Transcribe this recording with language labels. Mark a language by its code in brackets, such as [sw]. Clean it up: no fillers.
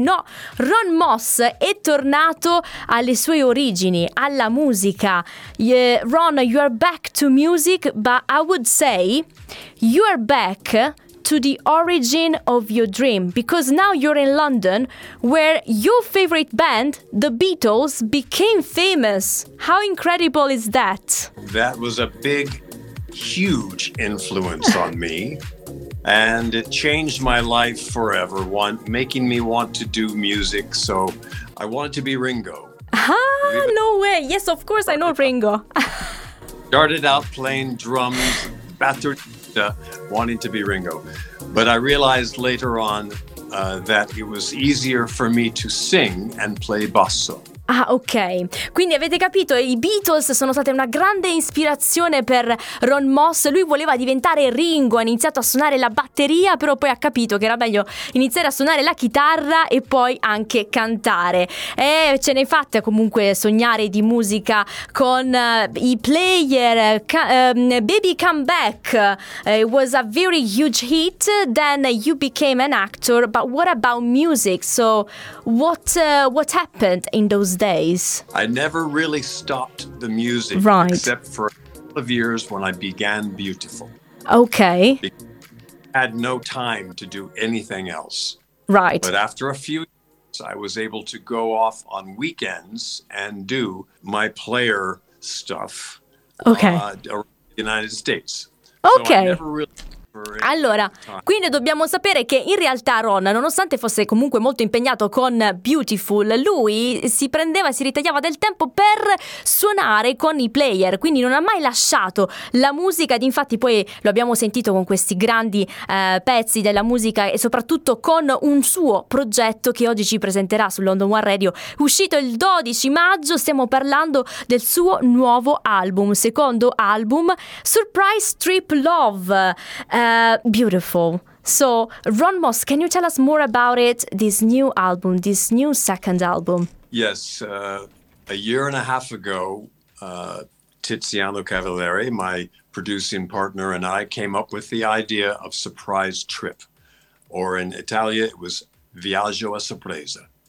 [it] No, Ronn Moss è tornato alle sue origini, alla musica. [en] Yeah, Ronn, you are back to music, but I would say you are back to the origin of your dream, because now you're in London, where your favorite band, the Beatles, became famous. How incredible is that? That was a big, huge influence on me, and it changed my life forever, making me want to do music, so I wanted to be Ringo. Ah, no way! Yes, of course I know Ringo. Started out playing drums, batterista, wanting to be Ringo. But I realized later on that it was easier for me to sing and play basso. Ah, ok. [it] Quindi avete capito, i Beatles sono state una grande ispirazione per Ronn Moss. Lui voleva diventare Ringo, ha iniziato a suonare la batteria, però poi ha capito che era meglio iniziare a suonare la chitarra e poi anche cantare. E ce n'è fatta comunque sognare di musica con i Player, Baby Come Back. It was a very huge hit, then you became an actor, but what about music? So what happened in those days? I never really stopped the music, right, except for a couple of years when I began Beautiful. Okay. I had no time to do anything else. Right. But after a few years, I was able to go off on weekends and do my Player stuff. Okay. Around the United States. Okay. So I never really. Allora, quindi dobbiamo sapere che in realtà Ronn, nonostante fosse comunque molto impegnato con Beautiful, lui si prendeva, si ritagliava del tempo per suonare con i Player, quindi non ha mai lasciato la musica, ed infatti poi lo abbiamo sentito con questi grandi pezzi della musica e soprattutto con un suo progetto che oggi ci presenterà su London One Radio, uscito il 12 maggio. Stiamo parlando del suo nuovo album, secondo album, Surprise Trip Love. [en] Beautiful. So, Ronn Moss, can you tell us more about it, this new album, this new second album? Yes, a year and a half ago, Tiziano Cavallari, my producing partner, and I came up with the idea of Surprise Trip, or in Italia, it was Viaggio a Sorpresa.